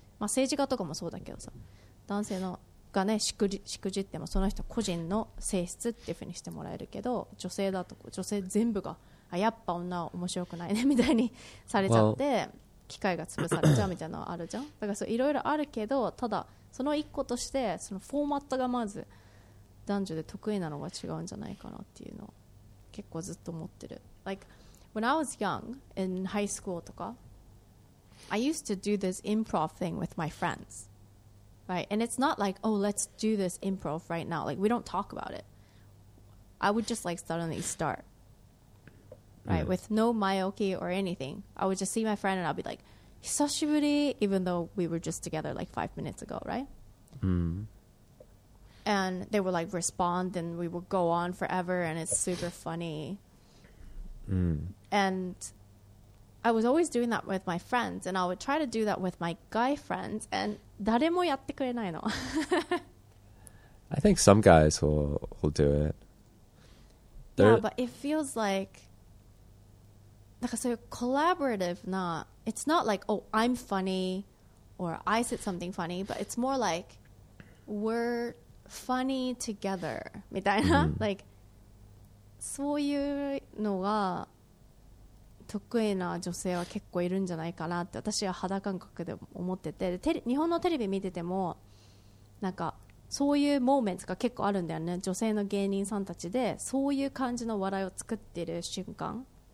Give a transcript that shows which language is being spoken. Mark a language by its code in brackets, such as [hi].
[ja] まあ、政治家とかもそうだけどさ、男性のがね、しくじってもその人個人の性質っていう風にしてもらえるけど、女性だと女性全部が、あ、やっぱ女は面白くないねみたいにされちゃって、機会が潰されちゃうみたいなのはあるじゃん。だからそういろいろあるけど、ただその一個としてそのフォーマットがまず男女で得意なのが違うんじゃないかなっていうのを結構ずっと思ってる。 [en] Like when I was young in high school [ja] とか、 [en] I used to do this improv thing with my friends, right? And it's not like, oh, let's do this improv right now. Like, we don't talk about it. I would just like suddenly start, right? Yeah. With no myoki or anything. I would just see my friend and I'd be like, hisashiburi, even though we were just together like 5 minutes ago, right? Mm. And they would like respond and we would go on forever and it's super funny. And I was always doing that with my friends, and I would try to do that with my guy friends, and [ja] 誰もやってくれないの。 [en] I think some guys will do it. Yeah, but it feels like, [ja] なんかそういう [en] collaborative な、it's not like, oh, I'm funny, or I said something funny, but it's more like, we're funny together, [ja] みたいな。 Like, そういうのが、得意な女性は結構いるんじゃないかなって私は肌感覚で思ってて、日本のテレビ見ててもなんかそういうモーメントが結構あるんだよね。女性の芸人さんたちでそういう感じの笑いを作ってる瞬間、